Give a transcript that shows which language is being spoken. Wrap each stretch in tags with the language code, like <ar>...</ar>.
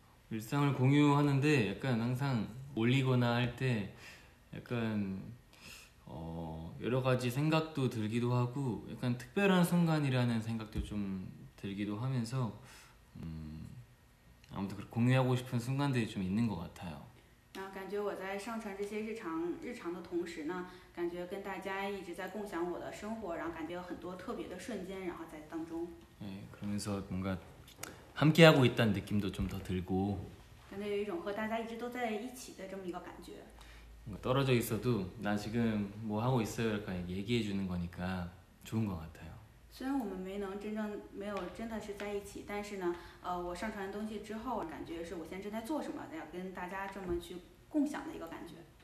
<ko>일상을공유하는데약간항상올리거나할때약간여러가지생각도들기도하고약간특별한순간이라는생각도좀들기도하면서아무튼공유하고싶은순간들이좀있는것같아요</ko> <zh>那感觉我在上传这些日常的同时呢，感觉跟大家一直在共享我的生活，然后感觉有很多特别的瞬间，然后在当中。</zh> <ko>네그러면서뭔가함께하고있다는느낌도좀더들고</ko> <zh>感觉有一种和大家一直都在一起的这么一个感觉。</zh> <ko>뭔가떨어져있어도나지금뭐하고있어요약간얘기해주는거니까좋은것같아요</ko> <zh>虽然我们没能真正没有真的是在一起，但是呢，我上传东西之后，感觉是我现在正在做什么，要跟大家这么去共享的一个感觉。</zh>